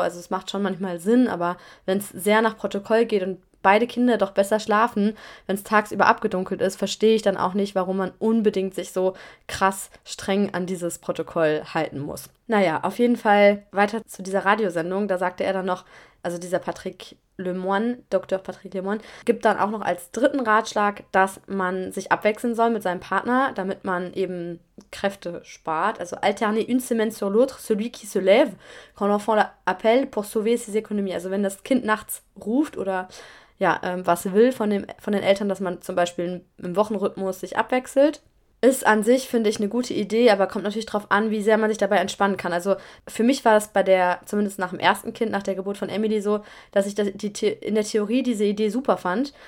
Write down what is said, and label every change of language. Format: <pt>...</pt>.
<de>Also es macht schon manchmal Sinn, aber wenn es sehr nach Protokoll geht und beide Kinder doch besser schlafen, wenn es tagsüber abgedunkelt ist, verstehe ich dann auch nicht, warum man unbedingt sich so krass streng an dieses Protokoll halten muss. Naja, auf jeden Fall weiter zu dieser Radiosendung. Da sagte er dann noch, also dieser Patrick Lemoine, Dr. Patrick Lemoine, gibt dann auch noch als dritten Ratschlag, dass man sich abwechseln soll mit seinem Partner, damit man eben Kräfte spart.</de> <fr>Also alterner une semaine sur l'autre, celui qui se lève, quand l'enfant l'appelle pour sauver ses économies.</fr> <de>Also wenn das Kind nachts ruft oder ja, was will von den Eltern, dass man zum Beispiel im Wochenrhythmus sich abwechselt. Ist an sich, finde ich, eine gute Idee, aber kommt natürlich darauf an, wie sehr man sich dabei entspannen kann. Also für mich war das bei der, zumindest nach dem ersten Kind, nach der Geburt von Emily so, dass ich in der Theorie diese Idee super fand.</de>